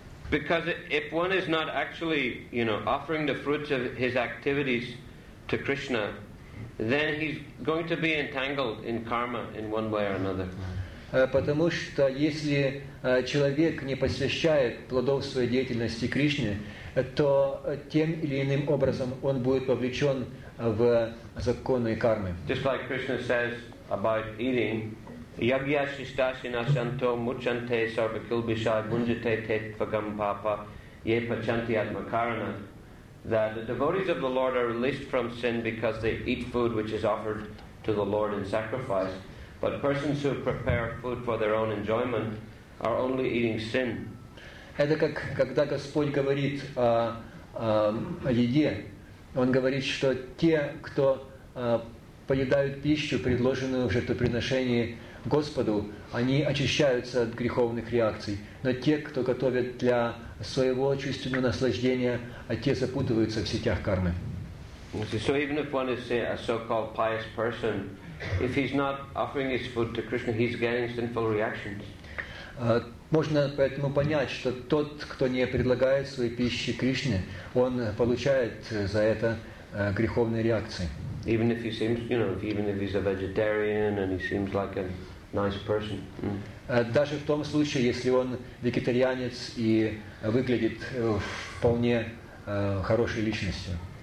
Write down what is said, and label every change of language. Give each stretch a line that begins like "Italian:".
English: Because if one is not actually, you know, offering the fruits of his activities to Krishna, then he's going to be entangled in karma in one way or another.
Russian: Потому что если человек не посвящает плодов своей деятельности Кришне, то тем или иным образом он будет вовлечен в законы кармы.
English: Just like Krishna says about eating,
Sanskrit: Yagya shistashina shanto muchante sarvakilbishai bunjate tetvagam papa ye pachanti atmakarana,
English: that the devotees of the Lord are released from sin because they eat food which is offered to the Lord in sacrifice, but persons who prepare food for their own enjoyment are only eating sin.
Russian: Это как когда Господь говорит о еде, Он говорит, что те, кто поедают пищу, предложенную в жертвоприношении Господу, они очищаются от греховных реакций. Но те, кто готовят для своего чувственного наслаждения, а те запутываются в сетях кармы.
English: So even if one is a so-called pious person, if he's not offering his food to Krishna, he's getting sinful reactions.
Russian: Можно поэтому понять, что тот, кто не предлагает своей пищи Кришне, он получает за это греховные реакции.
English: Even if he seems, you know, even if he's a vegetarian and he seems like a nice person.
Russian: Даже в том случае, если он вегетарианец и выглядит вполне хорошей личностью.